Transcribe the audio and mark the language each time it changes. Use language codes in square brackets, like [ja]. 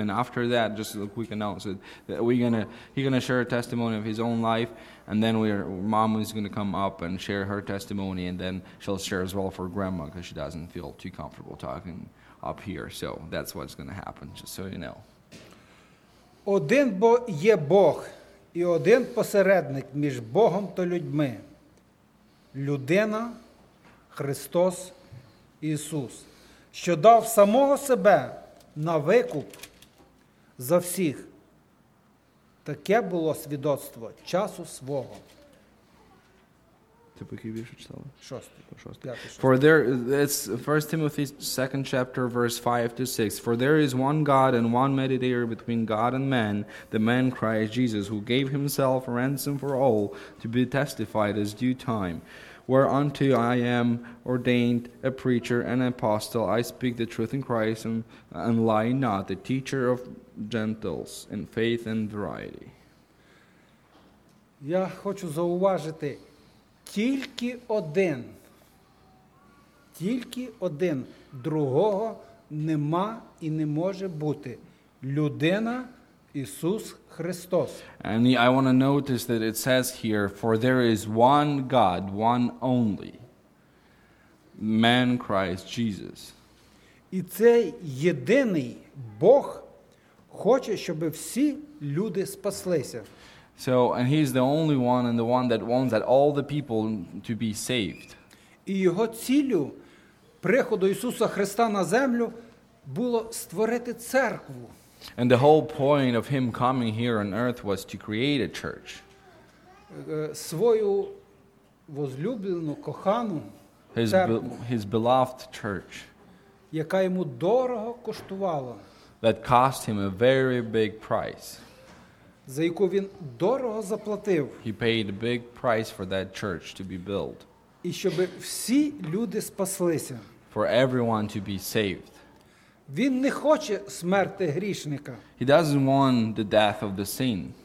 [en] And after that, just a quick announcement, that he's going to share a testimony of his own life. And then mom is going to come up and share her testimony, and then she'll share as well for grandma because she doesn't feel too comfortable talking up here. So that's what's going to happen, just so you know. [uk] Один бо є Бог, і один посередник між Богом та людьми. Людина Христос Ісус, що дав самого себе на викуп за всіх. Таке було свідоцтво часу свого. Ти поки вірш читала? Шостий. [en] For there is 1 Timothy 2 chapter verse 5 to 6. For there is one God and one mediator between God and man, the man Christ Jesus, who gave himself a ransom for all to be testified as due time. Whereunto I am ordained a preacher and apostle, I speak the truth in Christ and lie not, the teacher of Gentiles in faith and variety. [uk] Я хочу зауважити, тільки один, другого нема і не може бути. Людина Ісус Христос. [en] And I want to notice that it says here, for there is one God, one only, man Christ Jesus. [uk] І цей єдиний Бог хоче, щоб всі люди спаслися. [en] So, and he's the only one and the one that wants that all the people to be saved. [uk] І його цілю приходу Ісуса Христа на землю було створити церкву. [en] And the whole point of him coming here on earth was to create a church. [uk] Свою возлюблену, кохану, [en] his beloved church. [uk] яка йому дорого коштувала. [en] That cost him a very big price. [uk] За яку він дорого заплатив. [en] He paid a big price for that church to be built. [uk] І щоб всі люди спаслися. [en] For everyone to be saved. [uk] Він не хоче смерти грішника. [en] He doesn't want the death of the sin.